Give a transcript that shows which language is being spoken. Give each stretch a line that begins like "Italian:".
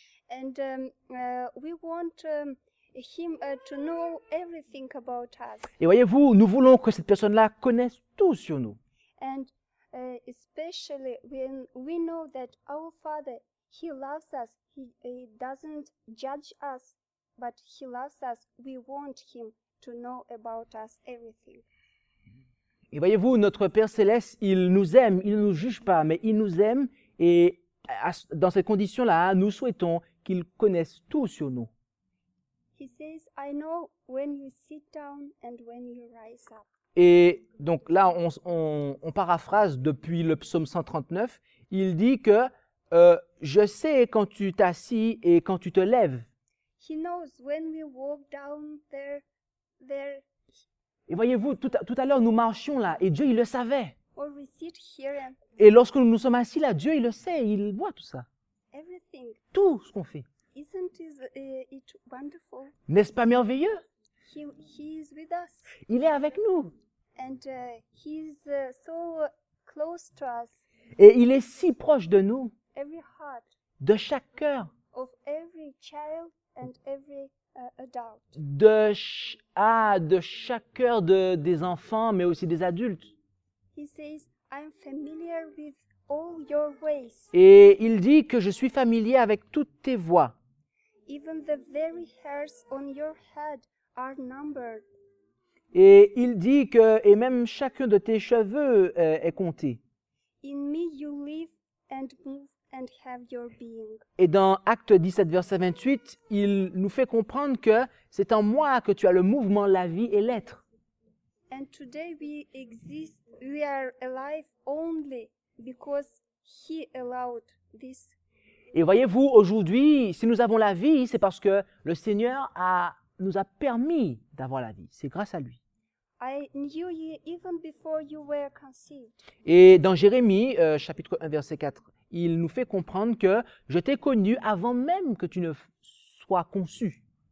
English: And we want him to know everything about us.
French: Et voyez-vous, nous voulons que cette personne-là connaisse tout sur nous.
English: And especially when we know that our Father, he loves us. He doesn't judge us, but he loves us. We want him to know about us everything.
French: Et voyez-vous, notre Père céleste, il nous aime, il ne nous juge pas, mais il nous aime. Et dans cette condition-là, nous souhaitons qu'il connaisse tout sur nous.
English: He says, I know when you sit down and when you rise up.
French: Et donc là, on paraphrase depuis le psaume 139. Il dit que je sais quand tu t'assis et quand tu te lèves.
English: He knows when we walk down there.
French: Et voyez-vous, tout à l'heure, nous marchions là, et Dieu, il le savait.
English: Or we sit here and...
French: Et lorsque nous nous sommes assis là, Dieu, il le sait, il voit tout ça.
English: Everything.
French: Tout ce qu'on fait.
English: Isn't it wonderful?
French: N'est-ce pas merveilleux?
English: He is with us.
French: Il est avec nous.
English: And he is so close to us.
French: Et il est si proche de nous.
English: Every heart.
French: De chaque cœur.
English: Of every child and every adult.
French: De chaque cœur des enfants, mais aussi des adultes.
English: He says, I'm familiar with all your ways.
French: Et il dit que je suis familier avec toutes tes voies.
English: Even the very hairs on your head are numbered.
French: Et il dit que et même chacun de tes cheveux est compté.
English: In me you live and move and have your being.
French: Et dans Acte 17, verset 28, il nous fait comprendre que c'est en moi que tu as le mouvement, la vie et l'être.
English: And today we exist, we are alive only because he allowed this.
French: Et voyez-vous, aujourd'hui, si nous avons la vie, c'est parce que le Seigneur nous a permis d'avoir la vie. C'est grâce à lui.
English: I knew you even before you were conceived.
French: Et dans Jérémie, chapitre 1, verset 4, il nous fait comprendre que je t'ai connu avant même que tu ne sois conçu.